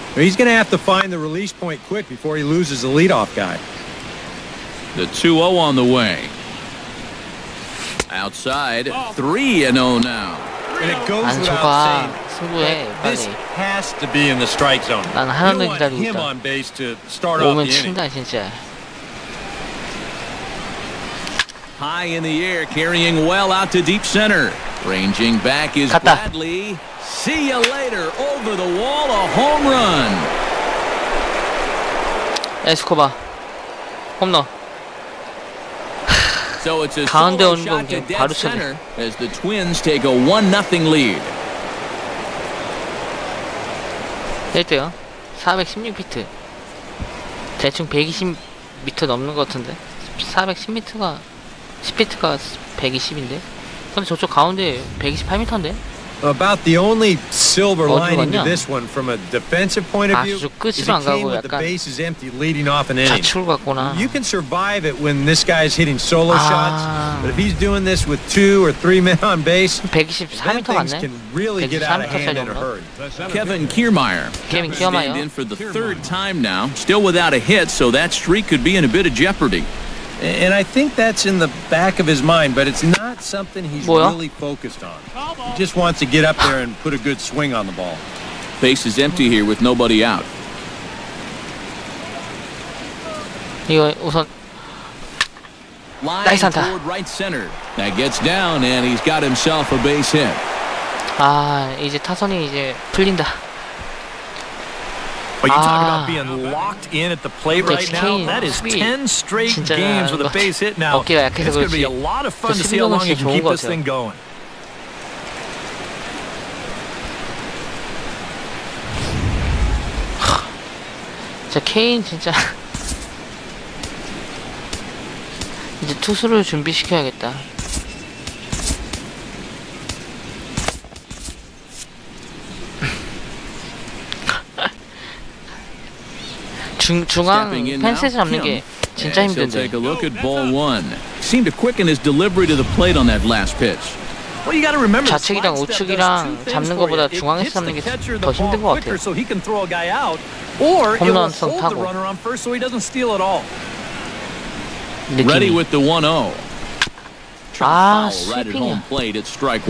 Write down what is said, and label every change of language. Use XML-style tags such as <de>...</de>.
<en>He's going to have to find the release point quick before he loses the leadoff guy. The 2-0 on the way. Outside, 3-0 now. And it goes without saying.</en> <ko>승부해,</ko> <en>this has to be in the strike zone.</en> <ko>난 하나도 기다리고 있다. 오면 친다 진짜.</ko> <en>High in the air, carrying well out to deep center. Ranging back is</en> <ko>갔다.</ko> <en>Bradley. See you later. Over the wall, a home run.</en> <ko>Escobar, 홈런.</ko> <en>So it's a solo shot to dead center as the Twins take a 1-0 lead.</en> <ko>대대요. 416 피트. 대충 120 미터 넘는 것 같은데. 410 미터가. 스피드가 120인데. 근데 저쪽 가운데 128m인데.</ko> <en>About the only silver lining to this one from a defensive point of view.</en> <ko>아주 끝으로 안 가고 약간 좌측으로 갔구나.</ko> <en>You can survive it when this guy is hitting solo shots. But if he's doing this with two or three men on base.</en> <ko>124m 맞네.</ko> <en>Really</en> <ko>124m 차이였나?</ko> <en>Kevin Kiermaier. Kevin Kiermaier. In for the third time now, still without a hit, so that streak could be in a bit of jeopardy. And I think that's in the back of his mind, but it's not something he's</en> <ko>뭐야?</ko> <en>Really focused on. He just wants to get up there and put a good swing on the ball. Base is empty here with nobody out.</en> <ko>이거 우선 나이스 안타.</ko> <en>Right center. That gets down and he's got himself a base hit.</en> <ko>아, 이제 타선이 이제 풀린다.</ko> <en>Are you talking about being locked in at the plate right now? That is 10 straight games with a base hit now. It's going to be a lot of fun to see how long you can keep this thing going.</en> <ko>Kane, 진짜 이제 투수를 준비시켜야겠다.</ko> <en>Seemed to quicken his delivery to the plate on that last pitch. Well, you got to remember.</en> <ko>좌측이랑 우측이랑 잡는 것보다 중앙에 잡는 게 더 힘든 것 같아요.</ko> <en>So he can throw a guy out, or he'll hold the runner on first so he doesn't steal at all. Ready with the</en> <ko>1-0. 아, 스위핑이야.</ko>